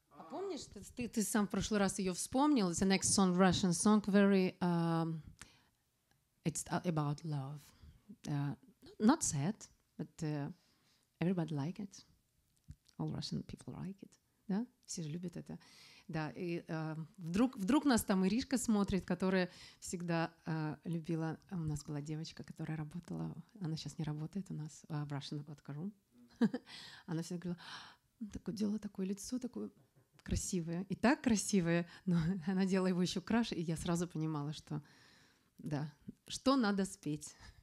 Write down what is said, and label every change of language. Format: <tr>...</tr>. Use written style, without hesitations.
<ru>Помнишь, ты сам в прошлый раз ее вспомнил?</ru> <en>It's the next song, Russian song, very... it's about love. Not sad, but everybody like it. All Russian people like it.</en> <ru>Да? Все же любят это. Да, и вдруг нас там Иришка смотрит, которая всегда любила... У нас была девочка, которая работала... Она сейчас не работает у нас в Russian Vodka Room. Она всегда говорила, такое дело, такое лицо, такое... красивая, и так красивая, но она делала его еще краше, и я сразу понимала, что да, что надо спеть.</ru>